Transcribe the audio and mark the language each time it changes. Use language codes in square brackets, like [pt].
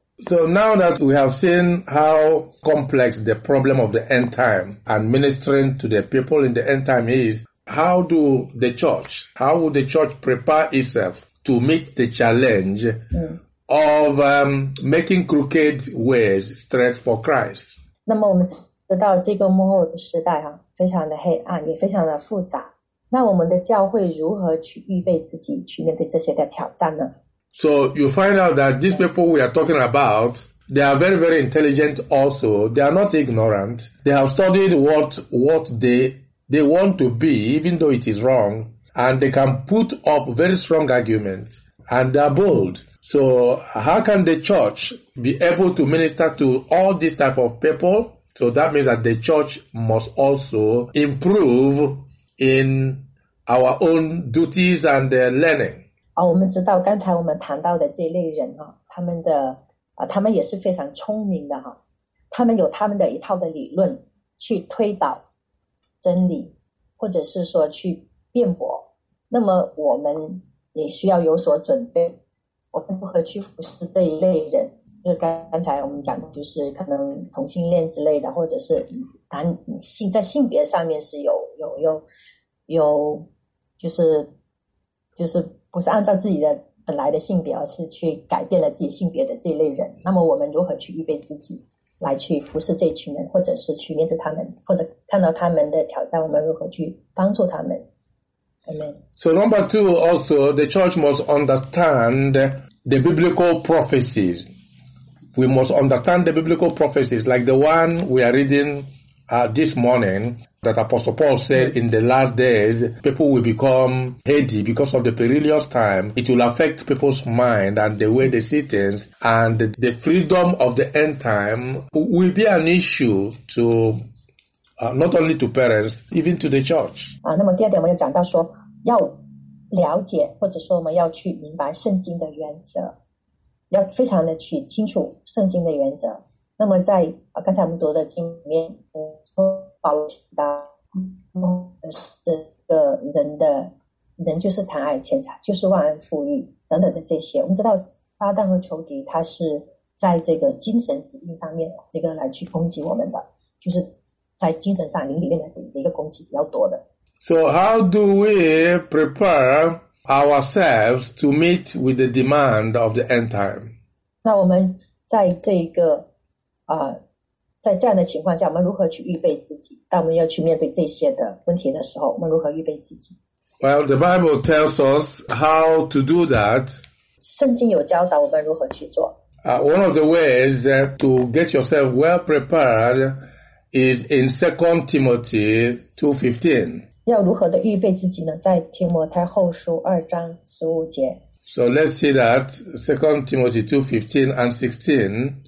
[en] So now that we have seen how complex the problem of the end time and ministering to the people in the end time is, how would the church prepare itself to meet the challenge of making crooked ways straight for Christ? [zh] 那么我们知道这个幕后的时代非常的黑暗，也非常的复杂。那我们的教会如何去预备自己去面对这些的挑战呢？ [en] So you find out that these people we are talking about, they are very, very intelligent also. They are not ignorant. They have studied what they want to be, even though it is wrong. And they can put up very strong arguments. And they are bold. So how can the church be able to minister to all these type of people? So that means that the church must also improve in our own duties and their learning. [zh] 我们知道刚才我们谈到的这类人他们的他们也是非常聪明的他们有他们的一套的理论去推导真理或者是说去辩驳那么我们也需要有所准备我们如何去服侍这一类人就刚才我们讲的就是可能同性恋之类的或者是男性在性别上面是有就是不是按照自己的本来的性别而是去改变了自己性别的这一类人那么我们如何去预备自己来去服侍这群人或者是去面对他们或者看到他们的挑战我们如何去帮助他们 Amen. [en] So number two also the church must understand the biblical prophecies we must understand the biblical prophecies like the one we are reading this morning that Apostle Paul said in the last days people will become heady because of the perilous time it will affect people's mind and the way they see things and the freedom of the end time will be an issue to not only to parents even to the church [zh] 那么第二点我们又讲到说要了解或者说我们要去明白圣经的原则要非常的去清楚圣经的原则那么在刚才我们读的经里面保罗讲到是个人的人就是贪爱钱财就是忘恩负义等等的这些我们知道撒旦和仇敌他是在这个精神疾病上面这个来去攻击我们的就是在精神上灵里面的一个攻击比较多的 [en] So how do we prepare ourselves to meet with the demand of the end time [zh] 那我们在这个在这样的情况下我们如何去预备自己当我们要去面对这些的问题的时候我们如何预备自己 [en] Well, the Bible tells us how to do that [zh] 圣经有教导我们如何去做 [en] One of the ways to get yourself well prepared is in 2 Timothy 2:15 [zh] 要如何的预备自己呢在提摩太后书2:15 [en] So let's see that 2 Timothy 2:15 and 16